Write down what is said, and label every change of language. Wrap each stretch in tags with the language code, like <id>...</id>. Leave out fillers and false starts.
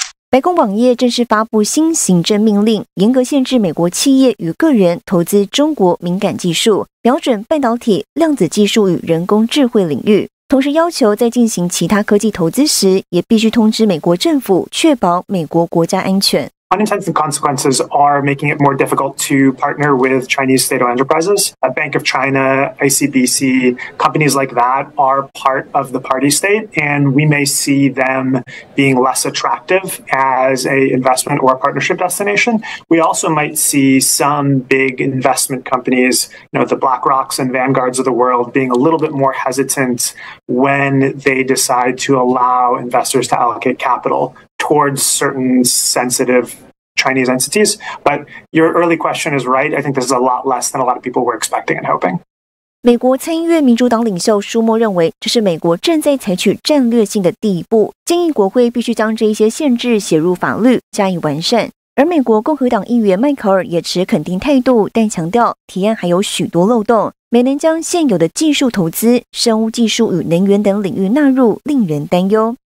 <zh>白宫网页正式发布新行政命令，严格限制美国企业与个人投资中国敏感技术，瞄准半导体、量子技术与人工智慧领域，同时要求在进行其他科技投资时，也必须通知美国政府，确保美国国家安全。</zh> <en>Unintended consequences are making it more difficult to partner with Chinese state-owned enterprises. A Bank of China, ICBC, companies like that are part of the party state, and we may see them being less attractive as an investment or a partnership destination. We also might see some big investment companies, you know, the BlackRocks and Vanguards of the world, being a little bit more hesitant when they decide to allow investors to allocate capital. towards certain sensitive Chinese entities. But your early question is right. I think this is a lot less than a lot of people were expecting and hoping.</en> <zh>美国参议院民主党领袖舒默认为，这是美国正在采取战略性的第一步，建议国会必须将这些限制写入法律，加以完善。而美国共和党议员迈克尔也持肯定态度，但强调提案还有许多漏洞，没能将现有的技术投资、生物技术与能源等领域纳入，令人担忧。</zh>